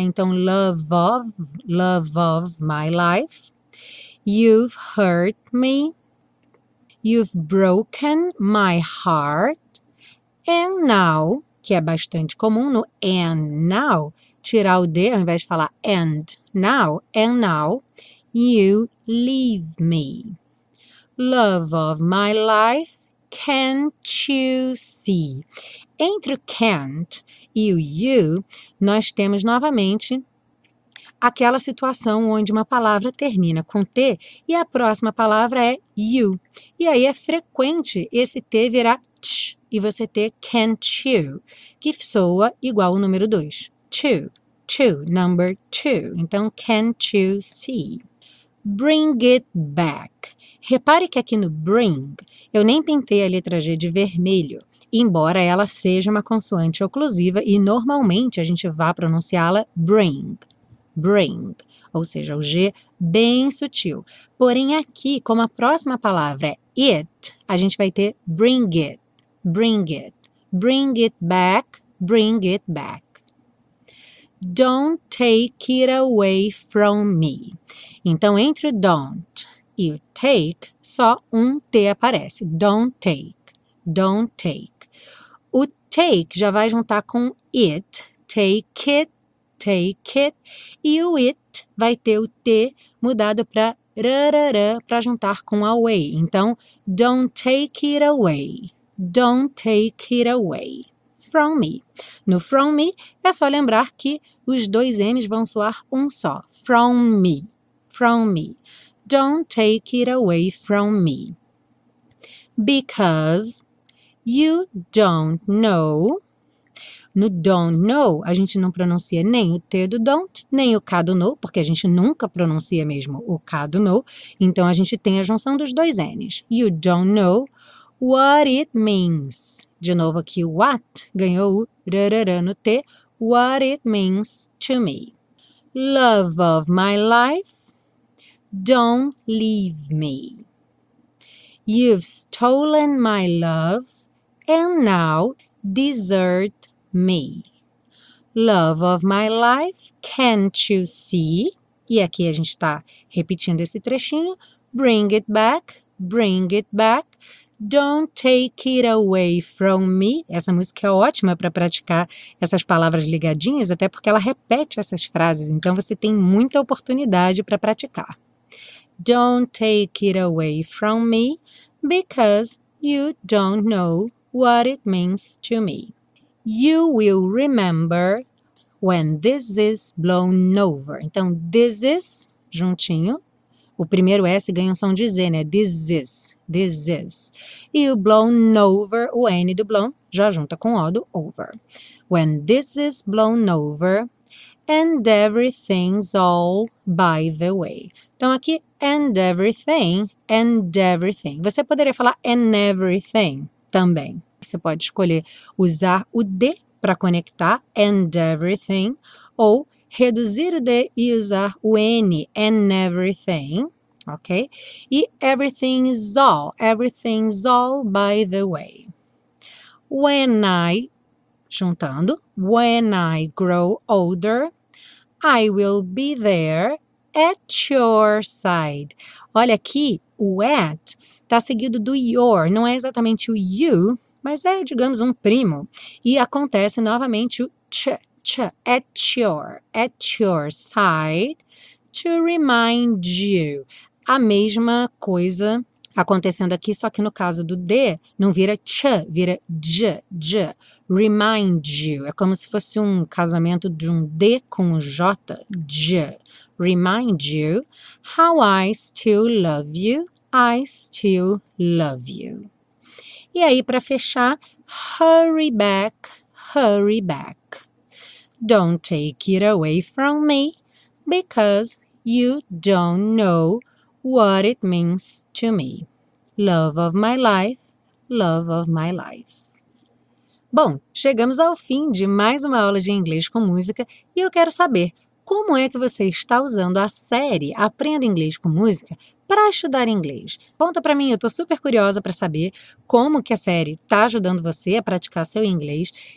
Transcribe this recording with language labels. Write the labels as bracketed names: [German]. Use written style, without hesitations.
[Portuguese] Então, [English] love of my life. You've hurt me. You've broken my heart. And now, [Portuguese] que é bastante comum no and now, tirar o D ao invés de falar and, [English] now, and now, you leave me. Love of my life, can't you see? [Portuguese] Entre o can't e o you, nós temos novamente aquela situação onde uma palavra termina com T e a próxima palavra é you. E aí é frequente esse T virar t e você ter can't you, que soa igual o número 2. [English] Two, number two. [Portuguese] Então, [English] can't you see? [Portuguese] Bring it back. Repare que aqui no bring, eu nem pintei a letra G de vermelho, embora ela seja uma consoante oclusiva e normalmente a gente vá pronunciá-la bring. Bring, ou seja, o G bem sutil. Porém, aqui, como a próxima palavra é it, a gente vai ter bring it, bring it, bring it back, bring it back. [English] Don't take it away from me. [Portuguese] Então, entre o don't e o take, só um T aparece. [English] Don't take, don't take. [Portuguese] O take já vai juntar com it, take it, take it, e o it vai ter o T mudado para rarara para juntar com away. Então, [English] don't take it away, don't take it away from me. [Portuguese] No from me, é só lembrar que os dois M's vão soar um só, from me, from me. [English] Don't take it away from me. Because you don't know. [Portuguese] No don't know, a gente não pronuncia nem o T do don't, nem o K do know, porque a gente nunca pronuncia mesmo o K do know. Então, a gente tem a junção dos dois N's. [English] You don't know what it means. [Portuguese] De novo aqui, what ganhou o rarara no T. [English] What it means to me. Love of my life, don't leave me. You've stolen my love, and now desert me. Love of my life, can't you see? [Portuguese] E aqui a gente está repetindo esse trechinho. [English] Bring it back, bring it back. Don't take it away from me. [Portuguese] Essa música é ótima para praticar essas palavras ligadinhas, até porque ela repete essas frases, então você tem muita oportunidade para praticar. [English] Don't take it away from me, because you don't know what it means to me. You will remember when this is blown over. [Portuguese] Então, this is, juntinho. O primeiro S ganha um som de Z, né? [English] This is, this is. [Portuguese] E o blown over, o N do blown, já junta com o do over. [English] When this is blown over, and everything's all by the way. [Portuguese] Então, aqui, and everything. Você poderia falar and everything também. Você pode escolher usar o D para conectar and everything ou reduzir o D e usar o N, and everything, ok? [English] E everything's all by the way. When I, [Portuguese] juntando, [English] when I grow older, I will be there at your side. [Portuguese] Olha aqui, o at está seguido do your, não é exatamente o you, mas é, digamos, um primo. E acontece novamente o ch, [English] at your side, to remind you. [Portuguese] A mesma coisa acontecendo aqui, só que no caso do D, não vira ch, vira j, remind you. É como se fosse um casamento de um D com um J, j. [English] Remind you how I still love you, I still love you. [Portuguese] E aí, para fechar, [English] hurry back, hurry back. Don't take it away from me, because you don't know what it means to me. Love of my life, love of my life. [Portuguese] Bom, chegamos ao fim de mais uma aula de inglês com música e eu quero saber como é que você está usando a série Aprenda Inglês com Música para estudar inglês. Conta para mim, eu estou super curiosa para saber como que a série está ajudando você a praticar seu inglês.